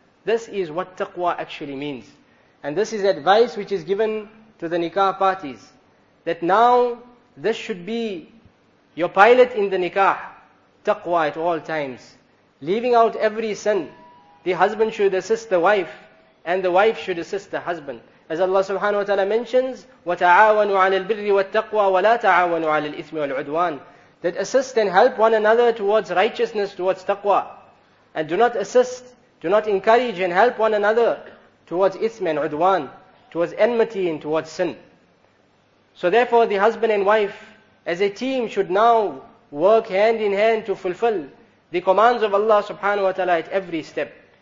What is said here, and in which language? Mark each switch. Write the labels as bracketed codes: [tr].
[en] This is what taqwa actually means. And this is advice which is given to the nikah parties. That now, this should be your pilot in the nikah. Taqwa at all times. Leaving out every sin. The husband should assist the wife, and the wife should assist the husband. As Allah subhanahu wa ta'ala mentions, [ar] وَتَعَاوَنُوا عَلَى الْبِرِّ وَالتَّقْوَى وَلَا تَعَاوَنُوا عَلَى الْإِثْمِ وَالْعُدْوَانِ. [en] That assist and help one another towards righteousness, towards taqwa. And do not encourage and help one another towards ithm and udwan, towards enmity and towards sin. So therefore the husband and wife as a team should now work hand in hand to fulfill the commands of Allah subhanahu wa ta'ala at every step.